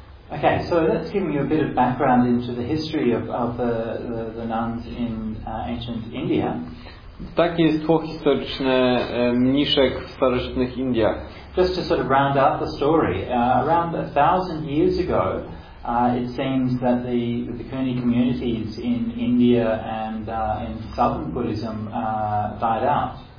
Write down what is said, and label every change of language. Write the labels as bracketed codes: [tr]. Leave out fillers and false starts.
[en] Okay, so that's giving you a bit of background into the history of the nuns in ancient India. [pl] Takie jest tło historyczne mniszek w starożytnych Indiach. [en] Just to sort of round out the story, around 1,000 years ago, it seems that the Vikarni communities in India and in southern Buddhism died out.